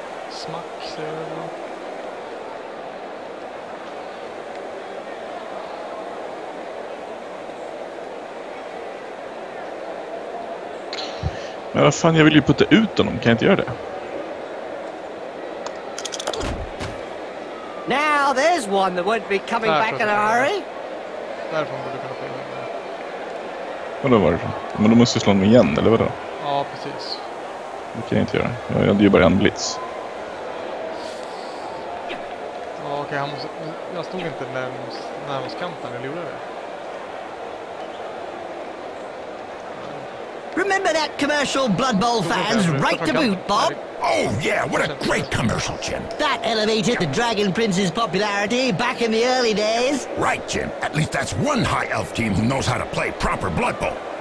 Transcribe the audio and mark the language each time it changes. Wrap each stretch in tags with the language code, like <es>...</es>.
<sv>Smack, säger jag då. Men vad fan, jag vill ju putta ut honom. Kan jag inte göra det?</sv> <en>Now there's one that won't be coming back in a hurry.</en> <sv>Därifrån borde du kunna få igen det. Vadå, varifrån? Men då måste jag slå honom igen, eller vadå? Ja, precis. Det kan jag inte göra. Jag hade ju bara en blitz. Ja, Okej, han måste, jag stod inte närmast kanten, eller gjorde det?</sv> <en>Remember that commercial Blood Bowl fans right to boot, Bob? Oh yeah, what a great commercial, Jim. That elevated the Dragon Prince's popularity back in the early days. Right, Jim. At least that's one high elf team who knows how to play proper Blood Bowl.</en>